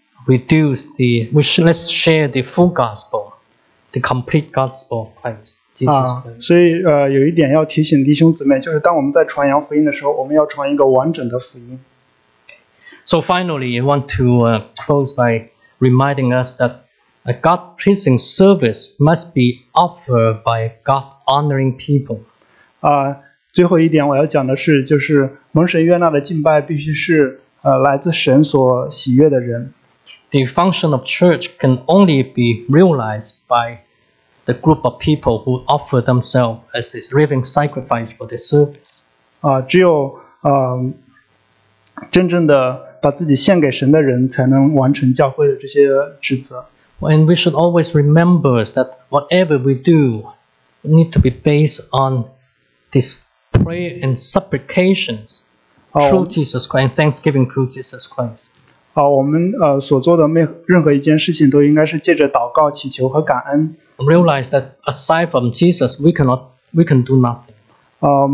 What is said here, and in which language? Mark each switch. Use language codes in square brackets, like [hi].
[en] we should let's share the full gospel, the complete gospel of Christ. [zh] 啊，所以有一点要提醒弟兄姊妹，就是当我们在传扬福音的时候，我们要传一个完整的福音。 [en] So finally, I want to close by reminding us that a God-pleasing service must be offered by God-honoring people. [zh] 啊，最后一点我要讲的是，就是蒙神悦纳的敬拜必须是来自神所喜悦的人。 [en] The function of church can only be realized by the group of people who offer themselves as a living sacrifice for the service. [zh] 只有真正的把自己献给神的人才能完成教会的这些职责。 [en] And we should always remember that whatever we do need to be based on this prayer and supplications through Jesus Christ and thanksgiving through Jesus Christ. [zh] 我们所做的任何一件事情都应该是借着祷告、祈求和感恩。 [en] Realize that aside from Jesus, we can do nothing.